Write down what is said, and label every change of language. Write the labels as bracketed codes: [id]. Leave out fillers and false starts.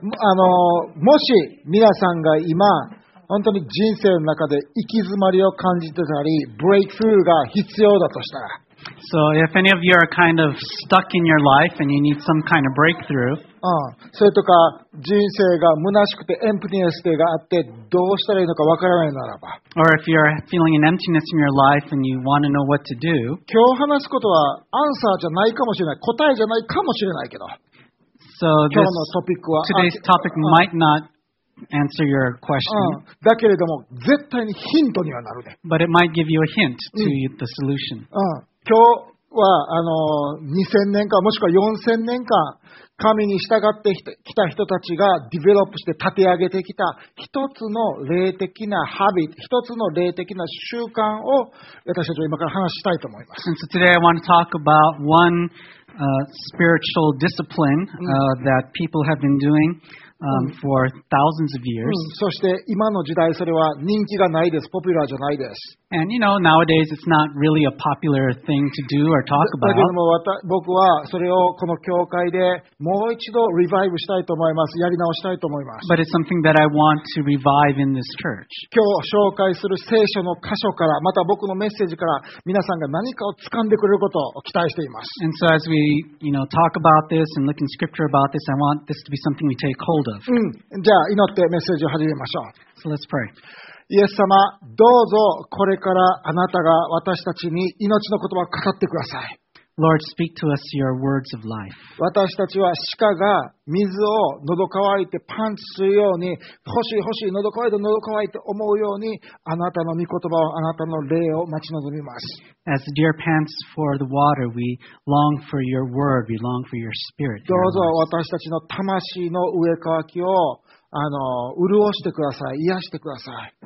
[ja] もし皆さんが今本当に人生の中で行き詰まりを感じてたり、ブレイクスルーが必要だとしたら、 [en] So if any of you are kind of stuck in your life and you need some kind of breakthrough, [ja] それとか人生が虚しくてエンプティネスがあってどうしたらいいのかわからないならば、 [en] Or if you're feeling an emptiness in your life and you want to know what to do, [ja] 今日話すことはアンサーじゃないかもしれない、答えじゃないかもしれないけど、 [en] So this, [ja] 今日のトピックは、 [en] Today's topic might not answer your question. [ja] だけれども絶対にヒントにはなるね。 [en] But it might give you a hint to the solution. [ja] 今日は2000年間もしくは4000年間神に従ってきた人たちがディベロップして立て上げてきた一つの霊的なハビット、一つの霊的な習慣を私たちは今から話したいと思います。 [en] And so today I want to talk about one spiritual discipline that people have been doing for thousands of years. [ja] そして今の時代それは人気がないです、ポピュラーじゃないです。 [en] And you know, nowadays it's not really a popular thing to do or talk about. [ja] だけども僕はそれをこの教会でもう一度リバイブしたいと思います。やり直したいと思います。 [en] But it's something that I want to revive in this church. [ja] 今日紹介する聖書の箇所から、また僕のメッセージから皆さんが何かを掴んでくれることを期待しています。 [en] And so as we, you know, talk about this and look in scripture about this, I want this to be something we take hold of. [ja] じゃあ祈ってメッセージを始めましょう。 [en] So let's pray. [ja] イエス様、どうぞこれからあなたが私たちに命の言葉を語ってください。 [en] Lord, speak to us your words of life. [ja] 私たちは鹿が水を喉乾いてパンチするように、欲しい欲しい喉乾いて喉乾いて思うように、あなたの御言葉をあなたの霊を待ち望みます。 [en] As the deer pants for the water, we long for your word, we long for your spirit. [ja] どうぞ私たちの魂の植え替きを潤してください、癒してください。